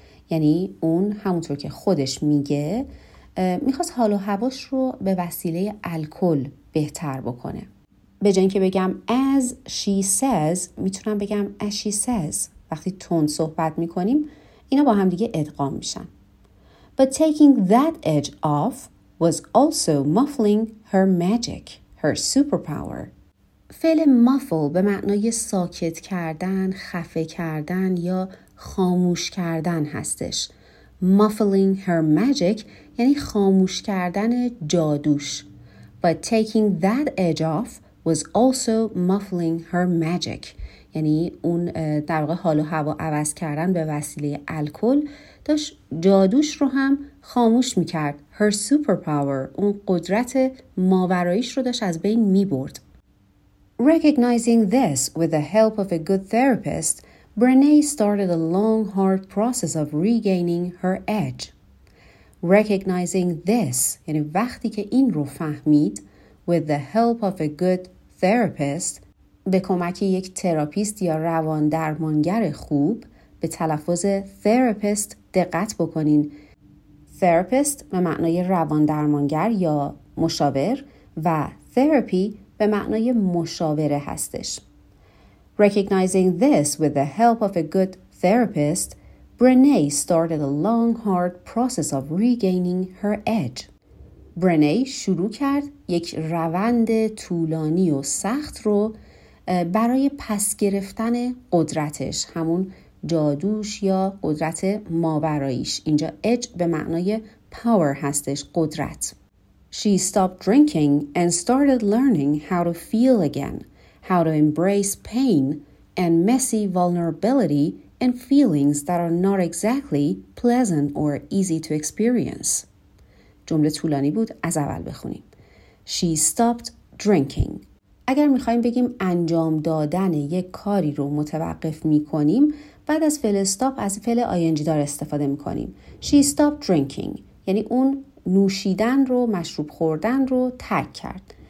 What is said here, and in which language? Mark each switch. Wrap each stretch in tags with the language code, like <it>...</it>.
<fa>یعنی اون همونطور که خودش میگه میخواست حال و هواش رو به وسیله الکل بهتر بکنه. به جای اینکه بگم</fa> <en>as she says</en> <fa>میتونم بگم as she says. وقتی تون صحبت میکنیم اینا با هم دیگه ادغام میشن.</fa> <en>But taking that edge off was also muffling her magic, her superpower.</en> <fa>فعل muffle به معنای ساکت کردن، خفه کردن یا خاموش کردن هستش.</fa> <en>Muffling her magic</en> <fa>یعنی خاموش کردن جادوش.</fa> <en>But taking that edge off was also muffling her magic.</en> <fa>یعنی اون در واقع حال و هوا عوض کردن به وسیله الکل داشت جادوش رو هم خاموش میکرد.</fa> <en>Her superpower،</en> <fa>اون قدرت ماوراییش رو داشت از بین میبرد.</fa> <en>Recognizing this with the help of a good therapist, Brené started a long, hard process of regaining her edge. Recognizing this,</en> <fa>یعنی وقتی که این رو فهمید,</fa> <en>with the help of a good therapist,</en> <fa>به کمک یک تراپیست یا روان درمانگر خوب, به تلفظ therapist دقت بکنین. Therapist به معنای روان درمانگر یا مشاور و therapy به معنای مشاوره هستش.</fa> <en>Recognizing this with the help of a good therapist, Brené started a long, hard process of regaining her edge.</en> <fa>Brené شروع کرد یک روند طولانی و سخت رو برای پس گرفتن قدرتش، همون جادوش یا قدرت ماوراییش. اینجا edge به معنای power هستش، قدرت.</fa> <en>She stopped drinking and started learning how to feel again, how to embrace pain and messy vulnerability and feelings that are not exactly pleasant or easy to experience.</en> <fa>جمله طولانی بود، از اول بخونیم.</fa> <en>She stopped drinking.</en> <fa>اگر میخواییم بگیم انجام دادن یک کاری رو متوقف میکنیم، بعد از فعل stop از فعل ing دار استفاده میکنیم.</fa> <en>She stopped drinking.</en> <fa>یعنی اون نوشیدن رو، مشروب خوردن رو ترک کرد.</fa>